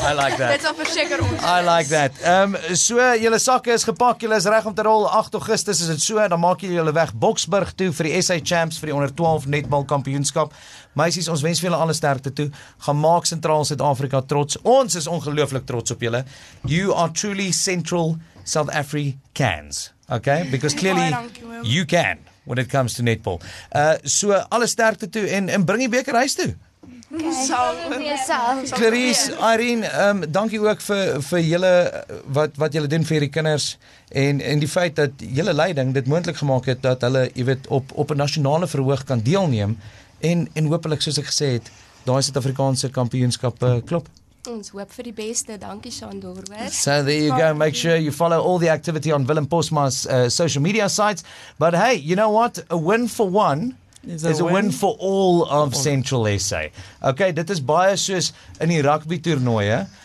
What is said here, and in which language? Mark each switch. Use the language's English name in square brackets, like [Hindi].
[English] I like that. [Afrikaans] Dit sal verseker ons wees. [English] I like that. [Afrikaans] So, julle sakke is gepak, julle is reg om te rol. 8 Augustus is het so, dan maak julle weg Boksburg toe vir die SA Champs, vir die onder 12 netbal kampioenskap. Meisies, ons wens vir julle alle sterkte toe. Gaan maak Centraal Suid-Afrika trots. Ons is ongelooflik trots op julle. [English] You are truly Central South Africans. Okay? Because clearly, you can. When it comes to netball. [Afrikaans] So, alle sterkte toe en bring die beker huis toe. Okay. Clarice, Irene, dankie ook vir julle wat julle doen vir die kinders en die feit dat julle leiding dit moontlik gemaak het dat hulle, jy weet, op 'n nasionale verhoog kan deelneem En hoopelik, soos ek gesê het, daai Suid-Afrikaanse kampioenskappe klop. Ons hoop vir die beste, dankie Shandor. [English] So there you go, make sure you follow all the activity on Willem Postma's social media sites. But hey, you know what, a win for one... is a win for all of Central SA. [Afrikaans] Okay, dit is baie soos in die rugby toernooie.